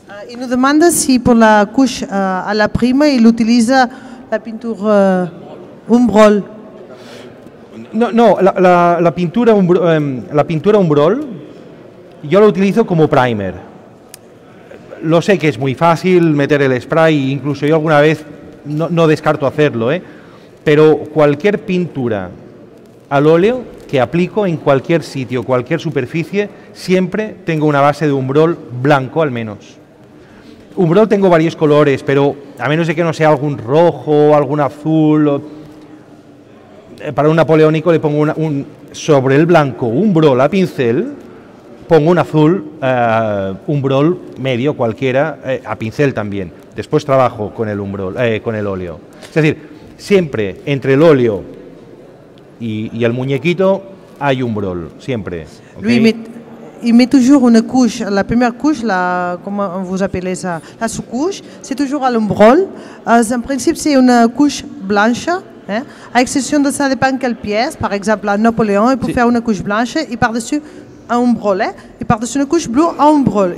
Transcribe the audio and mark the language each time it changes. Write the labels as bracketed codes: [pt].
[fr] Il nous demande si pour la couche à la prime, il utilise la peinture Umbrol. [es] La pintura Umbrol, yo la utilizo como primer. Lo sé que es muy fácil meter el spray, incluso yo alguna vez no descarto hacerlo, pero cualquier pintura al óleo que aplico en cualquier sitio, cualquier superficie, siempre tengo una base de Umbrol blanco al menos. Umbrol tengo varios colores, pero a menos de que no sea algún rojo, algún azul, para un napoleónico le pongo sobre el blanco Umbrol a pincel, pongo un azul Umbrol medio cualquiera a pincel también. Después trabajo con el Umbrol, con el óleo. Es decir, siempre entre el óleo y el muñequito hay Umbrol, siempre. ¿Okay? [fr] Il met toujours une couche, la première couche, comment vous appelez ça, la sous-couche, c'est toujours à l'Umbrol. En principe, c'est une couche blanche, à exception de ça dépend quelle pièce, par exemple à Napoléon, il peut faire une couche blanche et par-dessus un Umbrol, et par-dessus une couche bleue un Umbrol.